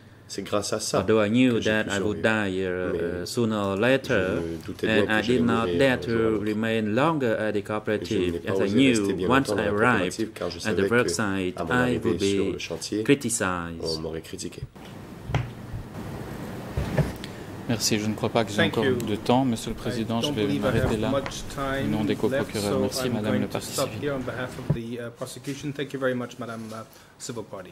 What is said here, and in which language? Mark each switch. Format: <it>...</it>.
<fr>C'est grâce à ça.</fr> <en>Although I knew that I would die sooner or later, and I did not dare to remain longer at the cooperative, as I knew once I arrived at the work site, I would be criticized.</en> <fr>On m'aurait critiqué. Merci, je ne crois pas que j'ai encore de temps, Monsieur le Président, je vais m'arrêter là, au nom des co-procureurs. Merci, Madame le Parti civil.</fr> <en>On behalf of the prosecution, thank you very much, Madame Civil Party.</en>